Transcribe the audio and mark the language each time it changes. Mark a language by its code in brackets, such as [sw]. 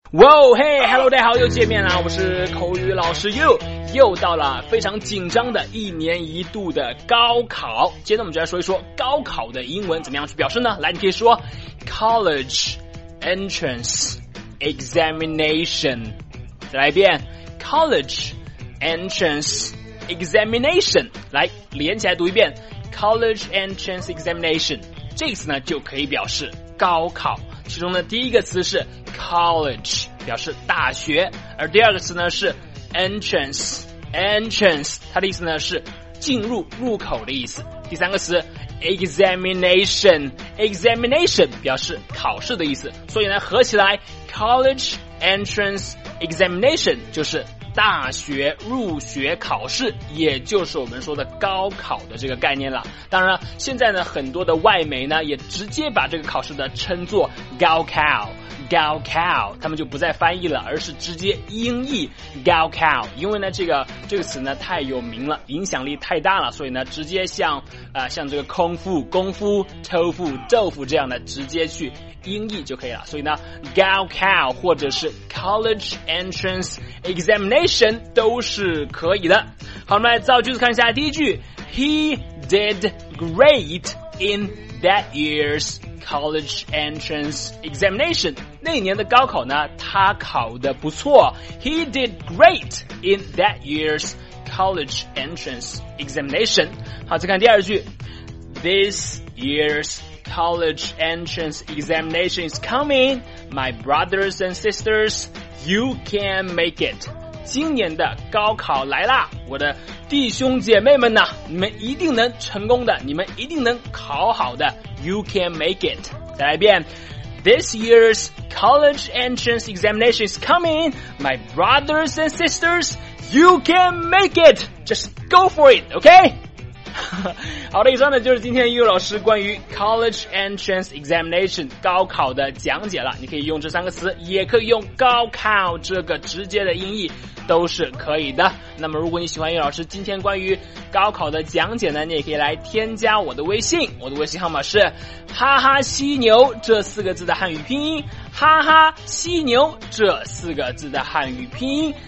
[zh] 哇哦，嘿哈喽，大家好，又见面了，我是口语老师又。又到了非常紧张的一年一度的高考。今天我们就来说一说高考的英文怎么样去表示呢？来，你可以说 College Entrance Examination。再来一遍 College Entrance Examination。来，连起来读一遍 College Entrance Examination。这次呢就可以表示高考，其中的第一个词是college， 表示大学，而第二个词呢是 entrance， 它的意思呢是进入，入口的意思。第三个词 examination 表示考试的意思，所以呢合起来 college entrance examination 就是大学入学考试，也就是我们说的高考的这个概念了。当然了，现在呢很多的外媒呢也直接把这个考试呢称作高考，他们就不再翻译了，而是直接音译高考。因为呢这个词呢太有名了，影响力太大了，所以呢直接像这个空腹、功夫、豆腐、豆腐这样的直接去音译就可以了。所以呢 高考 或者是 college entrance examination 都是可以的。好，我们来造句子看一下。第一句， [en] He did great in that year's college entrance examination。 [zh] 那年的高考呢他考得不错。 [en] He did great in that year's college entrance examination。 [zh] 好，再看第二句， [en] This year'sCollege entrance examination is coming. My brothers and sisters, you can make it. [zh] 今年的高考来啦，我的弟兄姐妹们呐，你们一定能成功的，你们一定能考好的。 [en] You can make it. [zh] 再来一遍。 [en] This year's college entrance examination is coming. My brothers and sisters, you can make it. Just go for it, okay? [zh] 好的，以上呢就是今天英语老师关于 College Entrance Examination 高考的讲解了。你可以用这三个词，也可以用高考这个直接的音译，都是可以的。那么如果你喜欢英语老师今天关于高考的讲解呢，你也可以来添加我的微信，我的微信号码是哈哈犀牛这四个字的汉语拼音，哈哈犀牛这四个字的汉语拼音。